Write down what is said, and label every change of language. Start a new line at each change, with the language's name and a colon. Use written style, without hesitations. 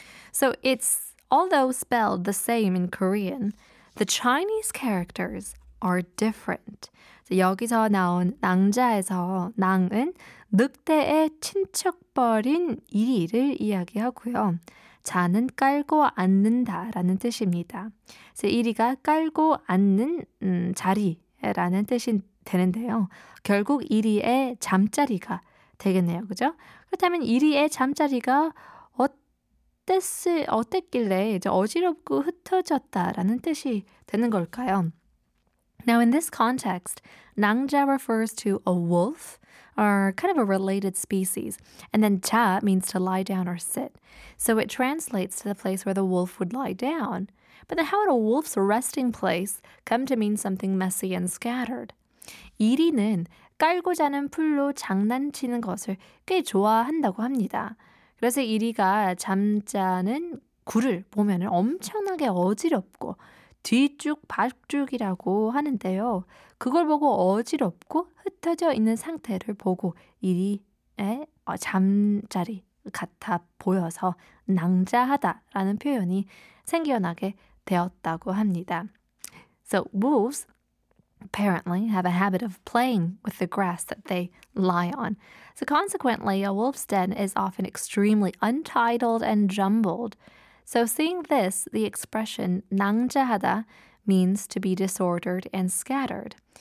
English: So it's, although spelled the same in Korean, the Chinese characters are different.
Korean: 여기서 나온 낭자에서 낭은 늑대의 친척벌인 이리를 이야기하고요. 자는 깔고 앉는다라는 뜻입니다. 이리가 깔고 앉는 자리라는 뜻이 되는데요. 결국 이리의 잠자리가 되겠네요. 그죠? 그렇다면 이리의 잠자리가 어땠길래 이제 어지럽고 흩어졌다라는 뜻이 되는 걸까요?
English: Now in this context, 낭자 refers to a wolf are kind of a related species. And then 자 means to lie down or sit. So it translates to the place where the wolf would lie down. But then how would a wolf's resting place come to mean something messy and scattered?
Korean: 이리는 깔고 자는 풀로 장난치는 것을 꽤 좋아한다고 합니다. 그래서 이리가 잠자는 굴을 보면 엄청나게 어지럽고 뒤죽 밭죽이라고 하는데요. 그걸 보고 어지럽고 흩어져 있는 상태를 보고 이리의 잠자리 같아 보여서 낭자하다라는 표현이 생겨나게 되었다고 합니다.
English: So wolves apparently have a habit of playing with the grass that they lie on. So consequently, a wolf's den is often extremely untidied and jumbled. So seeing this, the expression 낭자하다 means to be disordered and scattered.